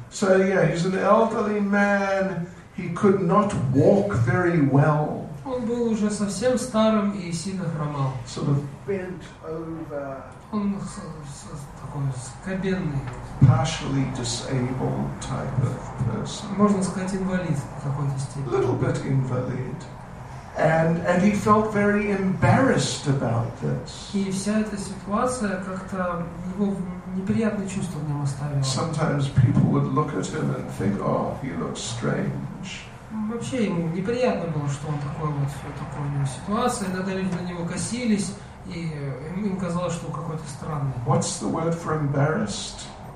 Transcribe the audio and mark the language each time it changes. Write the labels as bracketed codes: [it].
[en] So yeah, he's an elderly man. He could not walk very well. [ru] Он был уже совсем старым и сильно хромал. [en] Sort of bent over. [ru] Он такой скобенный. [en] Partially disabled type of person. [ru] Можно сказать, инвалид в какой-то степени. [en] Little bit invalid. And he felt very embarrassed about this. [ru] И вся эта ситуация как-то его неприятные чувства в нем оставила. [en] Sometimes people would look at him and think, oh, he looks strange. [ru] Вообще ему неприятно было, что он такой вот в такой ситуации. Иногда люди на него косились, и им казалось, что он какой-то странный. [en] What's the word for embarrassed?